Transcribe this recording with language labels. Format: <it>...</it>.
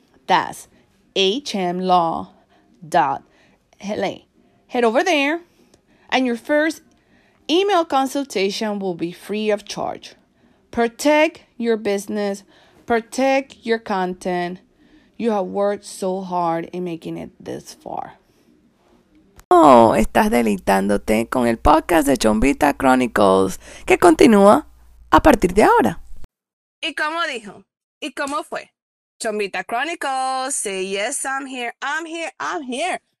<en>That's hmlaw.la. Head over there, and your first email consultation will be free of charge. Protect your business. Protect your content. You have worked so hard in making it this far.</en> <es>Oh, estás deleitándote con el podcast de Chombita Chronicles, que continúa a partir de ahora. ¿Y cómo dijo? ¿Y cómo fue?</es> <en>Chombita Chronicles, say yes, I'm here, I'm here, I'm here.</en>